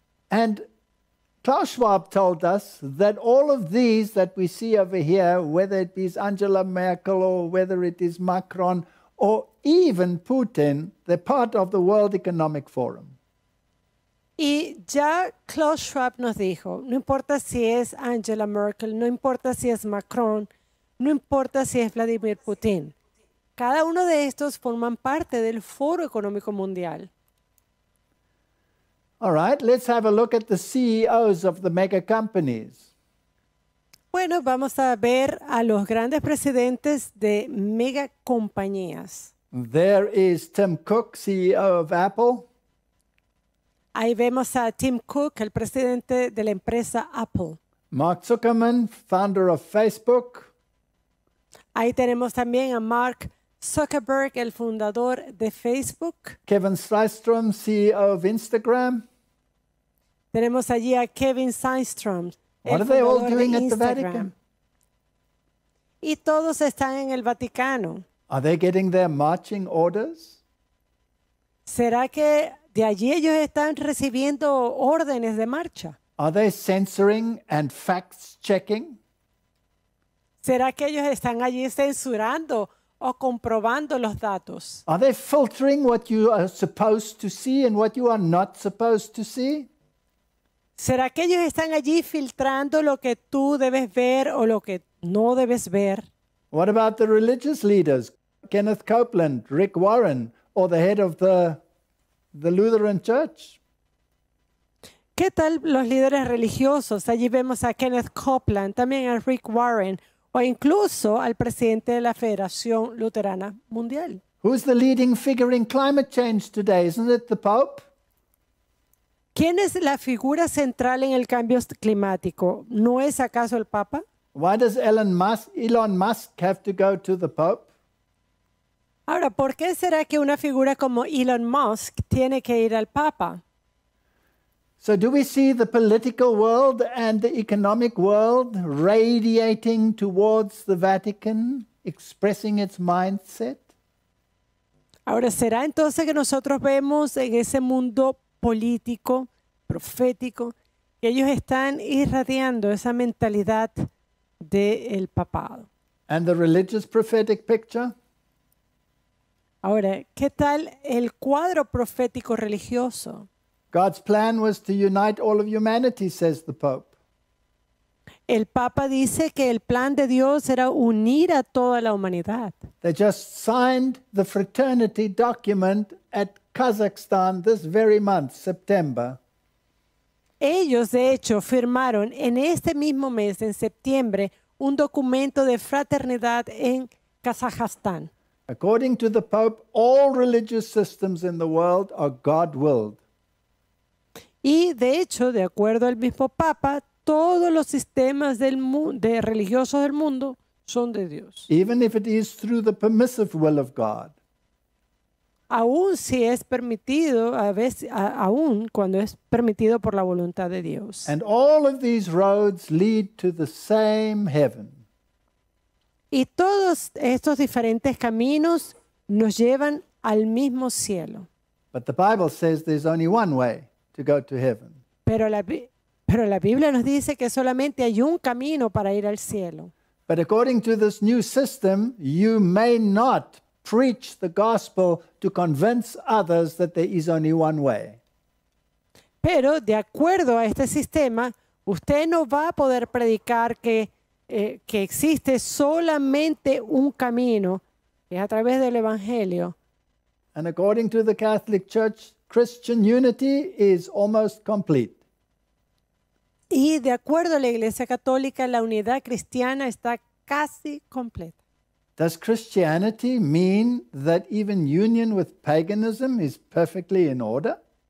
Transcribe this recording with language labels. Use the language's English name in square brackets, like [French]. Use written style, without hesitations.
[English] And Klaus Schwab told us that all of these that we see over here, whether it is Angela Merkel or whether it is Macron or even Putin, they're part of the World Economic Forum. [Spanish] Y ya Klaus Schwab nos dijo, no importa si es Angela Merkel, no importa si es Macron, no importa si es Vladimir Putin. Cada uno de estos forman parte del Foro Económico Mundial. [English] All right, let's have a look at the CEOs of the mega companies. [Spanish] Bueno, vamos a ver a los grandes presidentes de mega compañías. [English] There is Tim Cook, CEO of Apple. [Spanish] Ahí vemos a Tim Cook, el presidente de la empresa Apple. [English] Mark Zuckerberg, founder of Facebook. [Spanish] Ahí tenemos también a Mark Zuckerberg, el fundador de Facebook. [English] Kevin Systrom, CEO of Instagram. [Spanish] Tenemos allí a Kevin Systrom. [English] What are they all doing at the Vatican? [Spanish] Y todos están en el Vaticano. [English] Are they getting their marching orders? [Spanish] ¿Será que de allí ellos están recibiendo órdenes de marcha? [English] Are they censoring and facts checking? [Spanish] ¿Será que ellos están allí censurando o comprobando los datos? [English] Are they filtering what you are supposed to see and what you are not supposed to see? [Spanish] ¿Será que ellos están allí filtrando lo que tú debes ver o lo que no debes ver? [English] What about the religious leaders? Kenneth Copeland, Rick Warren, or the head of the Lutheran Church? [Spanish] ¿Qué tal los líderes religiosos? Allí vemos a Kenneth Copeland, también a Rick Warren, o incluso al presidente de la Federación Luterana Mundial. [English] Who's the leading figure in climate change today? Isn't it the Pope? [Spanish] ¿Quién es la figura central en el cambio climático? ¿No es acaso el Papa? [English] Why does Elon Musk have to go to the Pope? [Spanish] Ahora, ¿por qué será que una figura como Elon Musk tiene que ir al Papa? [English] So do we see the political world and the economic world radiating towards the Vatican, expressing its mindset? [Spanish] Ahora, ¿será entonces que nosotros vemos en ese mundo político, profético, que ellos están irradiando esa mentalidad del papado? [English] And the religious prophetic picture? [Spanish] Ahora, ¿qué tal el cuadro profético religioso? [English] God's plan was to unite all of humanity, says the Pope. [Spanish] El Papa dice que el plan de Dios era unir a toda la humanidad. [English] They just signed the fraternity document at Kazakhstan this very month, September. [Spanish] Ellos, de hecho, firmaron en este mismo mes, en septiembre, un documento de fraternidad en Kazajstán. [English] According to the Pope, all religious systems in the world are God-willed. [Spanish] Y, de hecho, de acuerdo al mismo Papa, todos los sistemas religiosos del mundo son de Dios. [English] Even if it is through the permissive will of God. [Spanish] Aún si es permitido, aún cuando es permitido por la voluntad de Dios. [English] And all of these roads lead to the same heaven. [Spanish] Y todos estos diferentes caminos nos llevan al mismo cielo. [English] But the Bible says there's only one way to go to heaven. [Spanish] Pero la Biblia nos dice que solamente hay un camino para ir al cielo. [English] But according to this new system, you may not preach the gospel to convince others that there is only one way. [Spanish] Pero de acuerdo a este sistema, usted no va a poder predicar que existe solamente un camino, que es a través del evangelio. [English] And according to the Catholic Church, Christian unity is almost complete. [Spanish] Y de acuerdo a la Iglesia Católica, la unidad cristiana está casi completa. [English] Does Christianity mean that even union with paganism is perfectly in order?